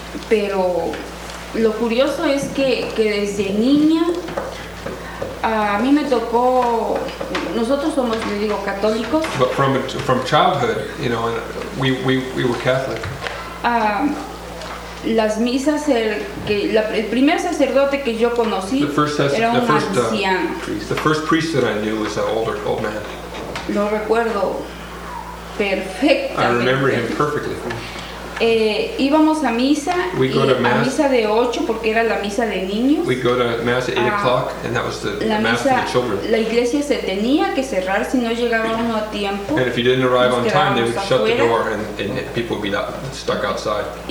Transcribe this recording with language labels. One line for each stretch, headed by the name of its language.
Spanish: Pero lo curioso es que desde niña a mí me tocó, nosotros somos, yo digo, católicos.
English: But from childhood, you know, we were Catholic.
Spanish: Las misas, el primer sacerdote que yo conocí era un anciano.
English: The first priest that I knew was an old man.
Spanish: Lo recuerdo.
English: I remember him perfectly.
Spanish: Íbamos a misa.
English: We'd go to mass.
Spanish: A misa de 8 porque era la misa de niños.
English: We'd go to mass at 8 o'clock, and that was the mass for the children.
Spanish: La iglesia se tenía que cerrar si no llegaba uno a tiempo.
English: And if you didn't arrive on time, they would shut the door, and people would be stuck outside.